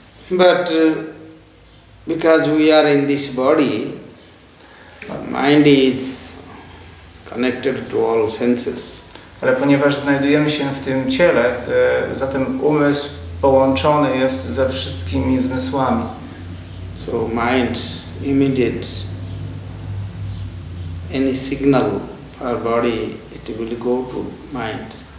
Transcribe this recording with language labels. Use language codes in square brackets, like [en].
[en] But because we are in this body, mind is connected to all senses. [pl] Ale ponieważ znajdujemy się w tym ciele, zatem umysł połączony jest ze wszystkimi zmysłami. [en] So mind immediate any signal our body, it will go to mind.